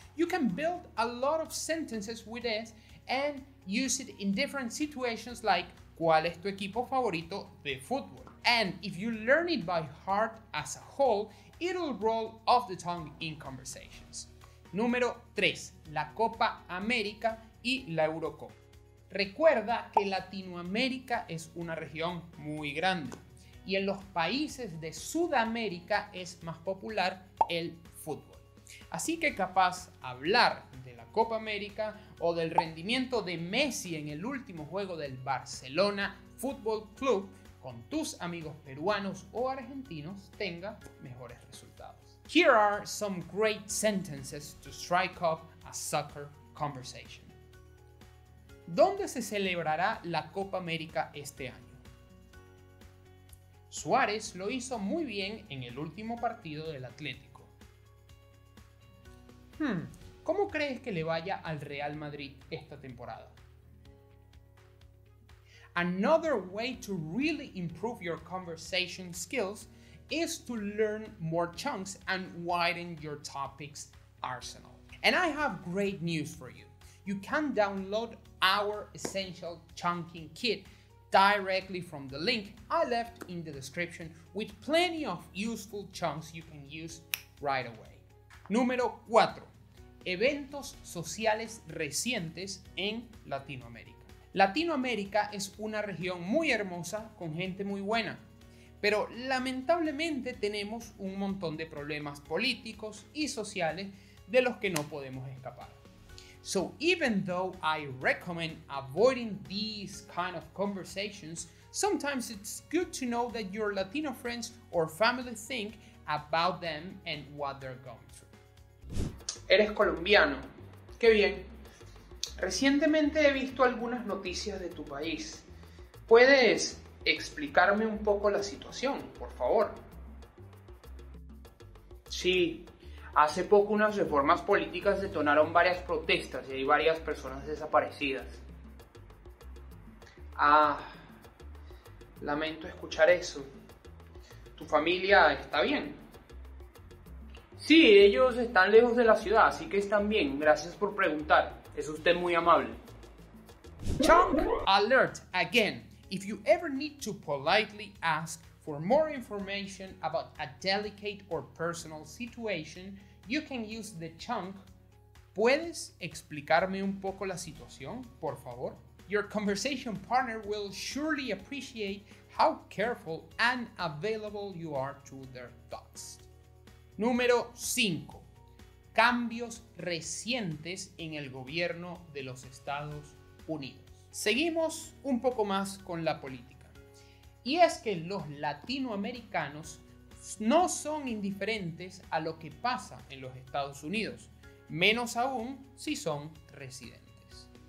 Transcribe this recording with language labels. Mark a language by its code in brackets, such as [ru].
[en] You can build a lot of sentences with it and use it in different situations like [es] ¿cuál es tu equipo favorito de fútbol? [en] And if you learn it by heart as a whole, it'll roll off the tongue in conversations. [es] Número 3. La Copa América y la Eurocopa. Recuerda que Latinoamérica es una región muy grande y en los países de Sudamérica es más popular el fútbol. Así que capaz hablar de la Copa América o del rendimiento de Messi en el último juego del Barcelona Football Club con tus amigos peruanos o argentinos tenga mejores resultados. [en] Here are some great sentences to strike up a soccer conversation. [es] ¿Dónde se celebrará la Copa América este año? Suárez lo hizo muy bien en el último partido del Atlético. ¿Cómo crees que le vaya al Real Madrid esta temporada? [en] Another way to really improve your conversation skills is to learn more chunks and widen your topics arsenal. And I have great news for you. You can download our essential chunking kit directly from the link I left in the description with plenty of useful chunks you can use right away. [es] Número 4. Eventos sociales recientes en Latinoamérica. Latinoamérica es una región muy hermosa con gente muy buena, pero lamentablemente tenemos un montón de problemas políticos y sociales de los que no podemos escapar. [en] So even though I recommend avoiding these kind of conversations, sometimes it's good to know that your Latino friends or family think about them and what they're going through. [es] Eres colombiano. ¡Qué bien! Recientemente he visto algunas noticias de tu país. ¿Puedes explicarme un poco la situación, por favor? Sí. Hace poco unas reformas políticas detonaron varias protestas y hay varias personas desaparecidas. Ah, lamento escuchar eso. ¿Tu familia está bien? Sí, ellos están lejos de la ciudad, así que están bien. Gracias por preguntar. Es usted muy amable. [en] Chunk alert again. If you ever need to politely ask for more information about a delicate or personal situation, you can use the chunk. [es] ¿Puedes explicarme un poco la situación, por favor? [en] Your conversation partner will surely appreciate how careful and available you are to their thoughts. [es] Número 5. Cambios recientes en el gobierno de los Estados Unidos. Seguimos un poco más con la política. Y es que los latinoamericanos no son indiferentes a lo que pasa en los Estados Unidos, menos aún si son residentes.